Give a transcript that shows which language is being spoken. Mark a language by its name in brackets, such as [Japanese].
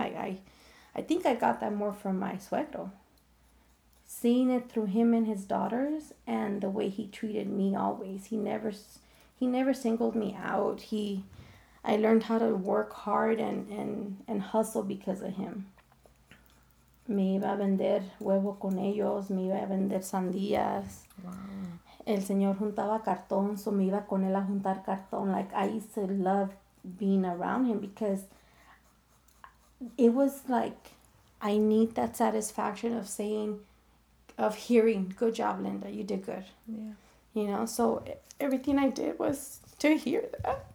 [English] I think I got that more from my suegro. Seeing it through him and his daughters, and the way he treated me always. He never singled me out. I learned how to work hard and hustle because of him. [Spanish] Me iba a vender huevo con ellos, me iba a vender sandías. [English] Wow. [Spanish] El señor juntaba cartón, so me iba con él a juntar cartón. [English] Like, I used to love being around him because it was like, I need that satisfaction of hearing, good job, Linda, you did good. Yeah. You know, so everything I did was to hear that.